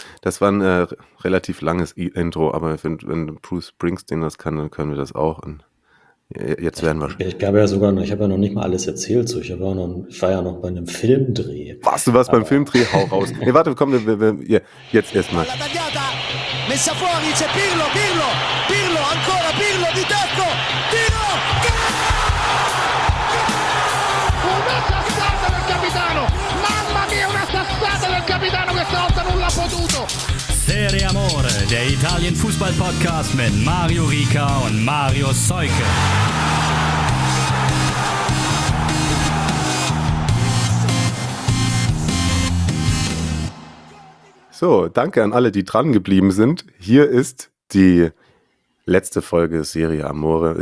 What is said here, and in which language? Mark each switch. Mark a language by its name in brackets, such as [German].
[German] Das war ein relativ langes Intro, aber wenn Bruce Springsteen das kann, dann können wir das auch. Und jetzt werden wir schon. Ich habe ja noch nicht mal alles erzählt. So. Ich war ja noch bei einem Filmdreh. Was? Du warst beim Filmdreh? Hau raus. Nee, warte, komm, wir jetzt erstmal. [Italian] Messa fuori, c'è Pirlo, Pirlo, Pirlo, ancora Pirlo, di tacco, tiro, gol! Una sassata del capitano, mamma mia, una sassata del capitano, questa volta non l'ha potuto. [German] Serie Amore, der Italien Fußball Podcast mit Mario Rica und Mario Soike. So, danke an alle, die dran geblieben sind. Hier ist die letzte Folge Serie Amore.